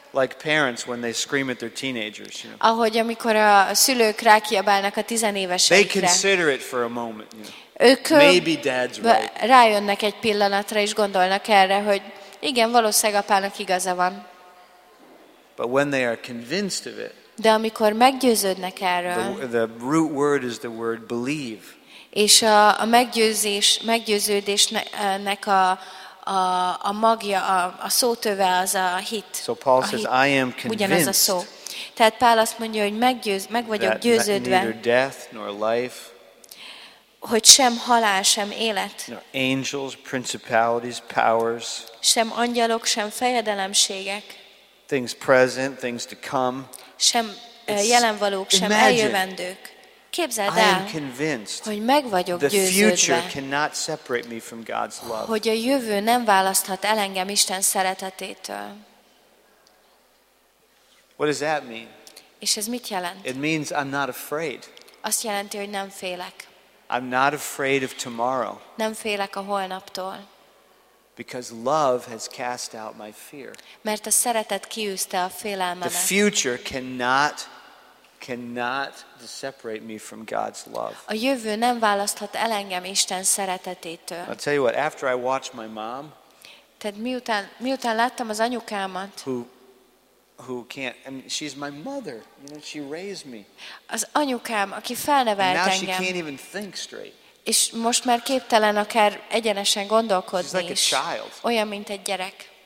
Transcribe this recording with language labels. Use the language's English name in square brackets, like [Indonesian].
[English] Like parents when they scream at their teenagers, you know. [Hungarian] Ahogy amikor a szülők rákiabálnak a tizenéveseikre. [English] They consider it for a moment, you know. [Hungarian] Ők [English] maybe dad's right. [Hungarian] Rájönnek egy pillanatra és gondolnak erre, hogy igen, valószínűleg apának igaza van. [English] But when they are convinced of it. [Hungarian] De amikor meggyőződnek erről. [English] The root word is the word believe. [Hungarian] És a meggyőzés, meggyőződésnek a magja, a szótöve az a hit. [English] So Paul a says, [Hungarian] hit. [English] I am convinced. [Hungarian] Ugyanez a szó. Tehát Pál azt mondja, hogy meg vagyok győződve. [English] Neither death nor life. [Hungarian] Hogy sem halál, sem élet. [English] No, angels, principalities, powers. [Hungarian] Sem angyalok, sem fejedelemségek. [English] Things present, things to come. [Hungarian] Sem jelenvalók, sem eljövendők. Képzeld el, hogy meg vagyok [English] the [Hungarian] győződve. [English] The future cannot separate me from God's love. [Hungarian] Hogy a jövő nem választhat el engem Isten szeretetétől. [English] What does that mean? [Hungarian] És ez mit jelent? [English] It means I'm not afraid. [Hungarian] Azt jelenti, hogy nem félek. [English] I'm not afraid of tomorrow. [Hungarian] Nem félek a holnaptól. [English] Because love has cast out my fear. [Hungarian] Mert a szeretet kiűzte a félelmemet. [English] The future cannot separate me from God's love. [Hungarian] A jövő nem választhat el engem Isten szeretetétől. [English] I'll tell you what, after I watched my mom. [Hungarian] Tehát miután láttam az anyukámat. [English] Who can't? I mean, she's my mother. You know, she raised me. [Hungarian] Az anyukám, aki felnevelt engem. [English] Now she can't even think straight. [Hungarian] És most már képtelen akár egyenesen gondolkodni. [English] She's like a child. [Hungarian] Olyan mint egy gyerek.